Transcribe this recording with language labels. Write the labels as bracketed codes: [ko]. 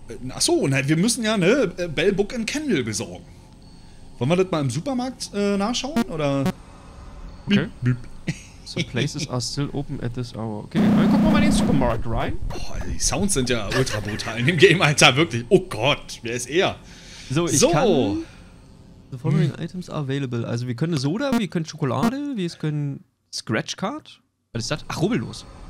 [de] Achso, nein, wir müssen ja, ne, Bell Book and Candle besorgen. Wollen wir das mal im Supermarkt nachschauen, oder? Okay. Bip. [en] So places are still open at this hour. [de] Okay, dann gucken wir mal in den Supermarkt rein. Boah, die Sounds sind ja ultra brutal in dem Game, Alter, wirklich. Oh Gott, wer ist er? So, ich kann... [en] The following items are available. [de] Also, wir können Soda, wir können Schokolade, wir können Scratch Card. Was ist das? Ach, Rubbellos.